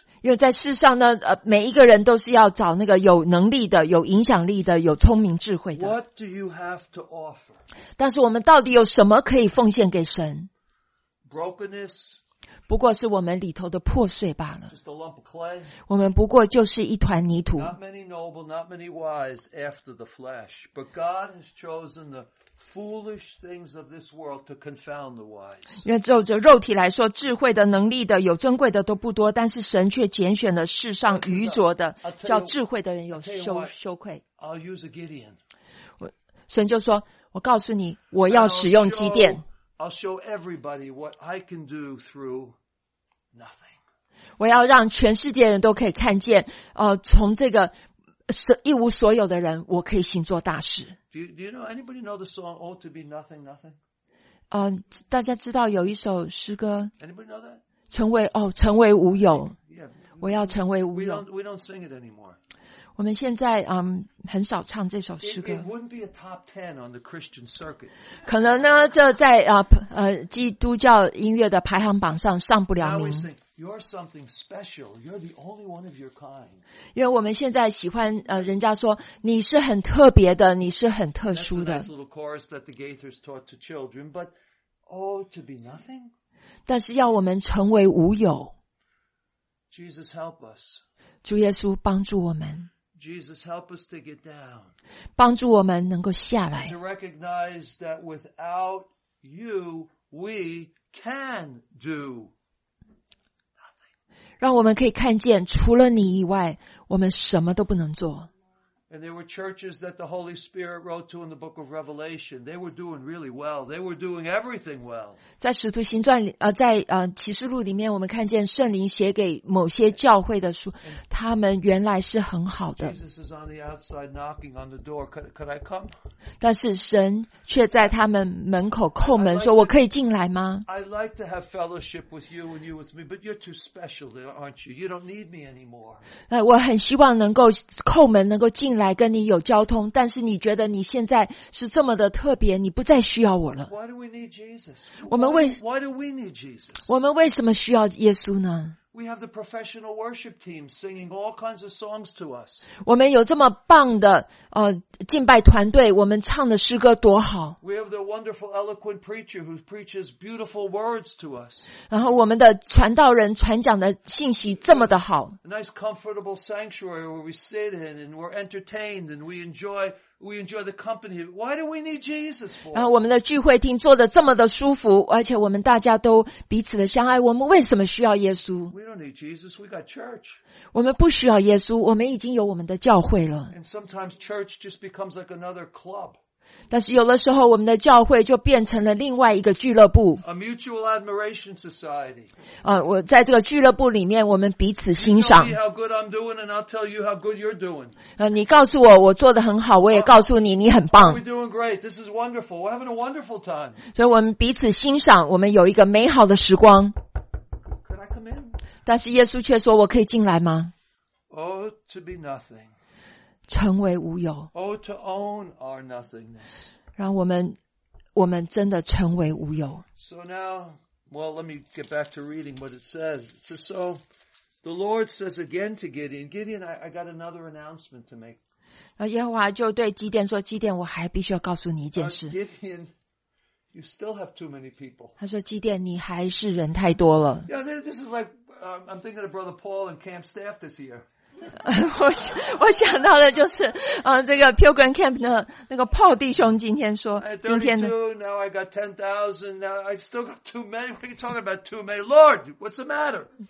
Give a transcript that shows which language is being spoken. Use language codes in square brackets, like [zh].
[zh] 因为在世上呢，每一个人都是要找那个有能力的、有影响力的、有聪明智慧的。 [en] What do you have to offer? [zh] 但是我们到底有什么可以奉献给神？ [en] Brokenness. [zh] 不过是我们里头的破碎罢了。 [en] Just a lump of clay. [zh] 我们不过就是一团泥土。 [en] Not many noble, not many wise after the flesh, but God has chosen the. Foolish things of this world to confound the wise. [zh] 因为就肉体来说，智慧的、能力的、有尊贵的都不多，但是神却拣选了世上愚拙的，叫智慧的人有羞愧。 [en] I'll use a Gideon. [zh] 神就说：“我告诉你，我要使用基甸。 [en] I'll show everybody what I can do through nothing. [zh] 我要让全世界人都可以看见，从这个一无所有的人，我可以行做大事。” [en] Do you know anybody know the song "Oh to Be Nothing, Nothing"? [zh] 大家知道有一首诗歌。 [en] Anybody know that? [zh] 成为无有。 [en] Yeah. [zh] 我要成为无有。 [en] We don't sing it anymore. [zh] 我们现在很少唱这首诗歌。 [en] It wouldn't be a top 10 on the Christian circuit. [zh] 可能呢，这在基督教音乐的排行榜上上不了名。 [en] Now we sing, You're something special. You're the only one of your kind. [zh] 因为我们现在喜欢人家说你是很特别的，你是很特殊的。 [en] That's a nice little chorus that the Gaithers taught to children. But oh, to be nothing. [zh] 但是要我们成为无有。 [en] Jesus, help us. [zh] 主耶稣帮助我们。 [en] Jesus, help us to get down. [zh] 帮助我们能够下来。 [en] To recognize that without you, we can do. [zh] 让我们可以看见除了你以外我们什么都不能做。 [en] And there were churches that the Holy Spirit wrote to in the book of Revelation. They were doing really well. They were doing everything well. [zh] 在使徒行传在启示录里面我们看见圣灵写给某些教会的书他们原来是很好的。 [en] Jesus is on the outside knocking on the door. Could I come? [zh] 但是神却在他们门口叩门说我可以进来吗 [en] ?I'd like to have fellowship with you and you with me, but you're too special there, aren't you? You don't need me anymore. [zh] 我很希望能够叩门能够进来。进来跟你有交通但是你觉得你现在是这么的特别你不再需要我了 [en] Why do we need Jesus? Why do we need Jesus? [zh] 我们为什么需要耶稣呢 [en] We have the professional worship team singing all kinds of songs to us [zh] 我们有这么棒的敬拜团队我们唱的诗歌多好 [en] We have the wonderful eloquent preacher who preaches beautiful words to us [zh] 然后我们的传道人传讲的信息这么的好 [en] A nice comfortable sanctuary where we sit in and we're entertained and we enjoy the company. Why do we need Jesus for? [zh] 然后我们的聚会厅坐得这么的舒服，而且我们大家都彼此的相爱。我们为什么需要耶稣 [en] ？We don't need Jesus. We got church. [zh] 我们不需要耶稣，我们已经有我们的教会了。 [en] And sometimes church just becomes like another club. [zh] 但是有的时候，我们的教会就变成了另外一个俱乐部。 [en] A mutual admiration society. [zh] 我在这个俱乐部里面，我们彼此欣赏。 [en] You tell me how good I'm doing, and I'll tell you how good you're doing. [zh] 你告诉我我做得很好，我也告诉你你很棒。 [en] We're doing great. This is wonderful. We're having a wonderful time. [zh] 所以我们彼此欣赏，我们有一个美好的时光。 [en] Could I come in? [zh] 但是耶稣却说：“我可以进来吗 [en] ？”Oh, to be nothing. [zh] 成为无有 [en] Oh, to own our nothingness. [zh] 让我们真的成为无有 [en] So now, well, let me get back to reading what it says. It says, so the Lord says again to Gideon, Gideon, I got another announcement to make. [zh] 耶和华就对基甸说基甸我还必须要告诉你一件事 [en] Gideon, you still have too many people. [zh] 他说基甸你还是人太多了 [en] Yeah, this is like, I'm thinking of Brother Paul and camp staff this year. [zh] 我想到的就是这个 Pilgrim Camp 的那个 Paul 弟兄今天说 [en] I had 32, now I got 10,000, now I still got too many, what are you talking about too many? Lord, what's the matter?